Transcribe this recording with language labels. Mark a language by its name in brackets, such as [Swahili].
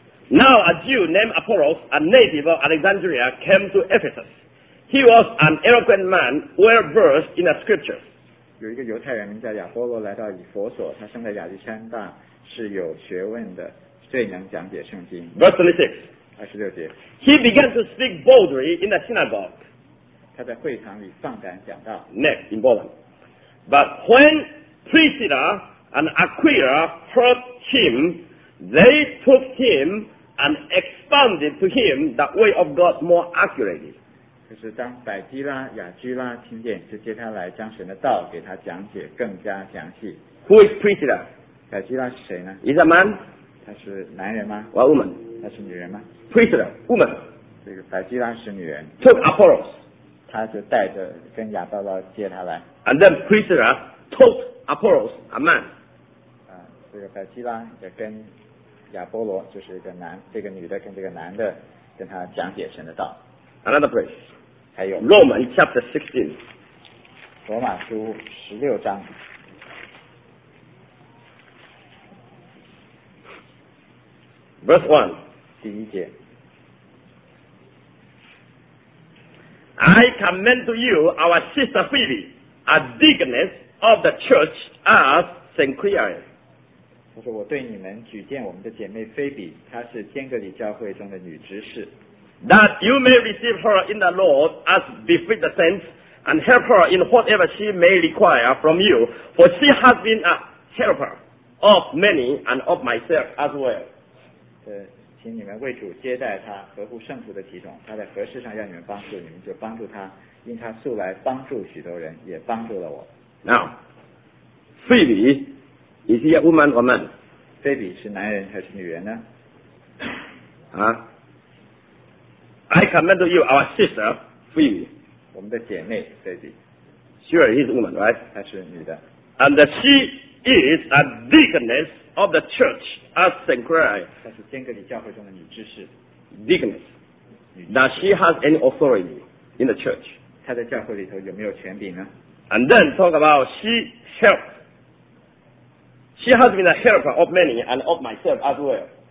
[English] Now a Jew named Apollos a native of Alexandria came to Ephesus He was an eloquent man well versed in the scriptures [Chinese] 有一个犹太人名叫亚波罗来到以弗所他生在亚历山大是有学问的最能讲解圣经 [English] Verse 26 [Chinese] 节 [English] He began to speak boldly in the synagogue [Chinese] 他在会堂里放胆讲道 [English] Next in Poland But when Priscilla and Aquila heard him They took him and expounded to him the way of God more accurately [Chinese] 可是当百基拉雅居拉听见就接他来将神的道给他讲解更加详细 [English] Who is Priscilla? [Chinese] 百基拉是谁呢 [English] Is a man? [Chinese] 他是男人吗 [English] ？A woman， [Chinese] 他是女人吗 [English] ？Priscilla， woman， [Chinese] 这个百基拉是女人。 [English] Took Apollos， [Chinese] 他就带着跟亚波罗接他来。 [English] And then Priscilla took Apollos， a man， [Chinese] 这个百基拉也跟亚波罗就是一个男，这个女的跟这个男的跟他讲解神的道。 [English] Another place， [Chinese] 还有 [English] Roman chapter 16， [Chinese] 罗马书十六章。 [English] Verse 1, [Chinese] 第一节 [English] I commend to you our sister Phoebe, a deaconess of the church at Cenchreae. [Chinese] 他说我对你们举荐我们的姐妹菲比，她是天格里教会中的女执事。 [English] That you may receive her in the Lord as befit the saints, and help her in whatever she may require from you, for she has been a helper of many and of myself as well. [Chinese] 请你们为主接待她，合乎圣徒的体统，她在何事上要你们帮助，你们就帮助她，因她素来帮助许多人，也帮助了我。 [English] Now, Phoebe, is she a woman or man? [Chinese] Phoebe 是男人还是女人呢？啊？ [English] I commend to you our sister, Phoebe. [Chinese] 我们的姐妹 Phoebe. [English] Sure, she is a woman, right? [Chinese] 她是女的。 [English] And she is a deaconess of the church at Cenchreae. [Chinese] 她是天格里教会中的女执事。 [English] Deaconess. Now she has any authority in the church. [Chinese] 她在教会里头有没有权柄呢？ [English] And then talk about she helped. She has been a helper of many and of myself as well.